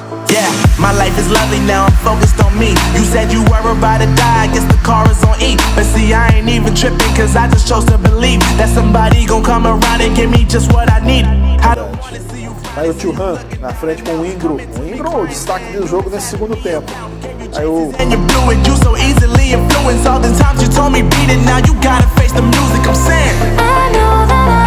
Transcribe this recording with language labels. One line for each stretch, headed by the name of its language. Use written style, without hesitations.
English: Yeah, my life is lovely, now I'm focused on me. You said you were about to die, I guess the car is on E. But see, I ain't even tripping, cause I just chose to believe that somebody gon' come around and give me just what I need.
Portuguese: Aí o Tio Han na frente com o Ingro. O Ingro, o destaque do jogo nesse segundo tempo. Aí o.
English: And you blew it, you so easily influenced. All the times you told me beat it, now you gotta face the music, I'm saying.